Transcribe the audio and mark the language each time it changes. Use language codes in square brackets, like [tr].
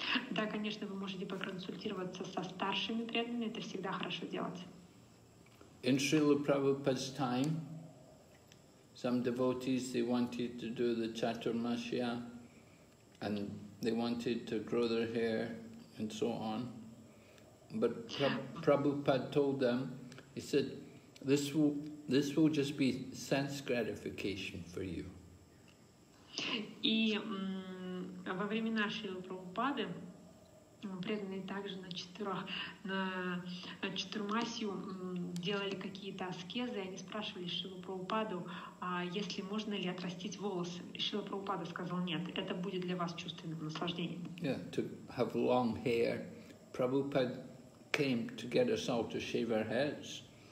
[ru] Да, конечно, вы можете проконсультироваться со старшими преданными. Это всегда хорошо делать. [en] In Srila Prabhupada's time, some devotees, they wanted to do the chaturmasya and they wanted to grow their hair and so on. But Prabhupada told them, he said, this will just be sense gratification for you. [ru] И во времена Шрилы Прабхупады преданные также на Чатурмасию делали какие-то аскезы, и они спрашивали Шрилу Прабхупаду, есть ли можно ли отрастить волосы. Шрила Прабхупада сказал, нет, это будет для вас чувственным наслаждением. [en] Yeah, to have long hair. Prabhupada came to get us all to shave our heads.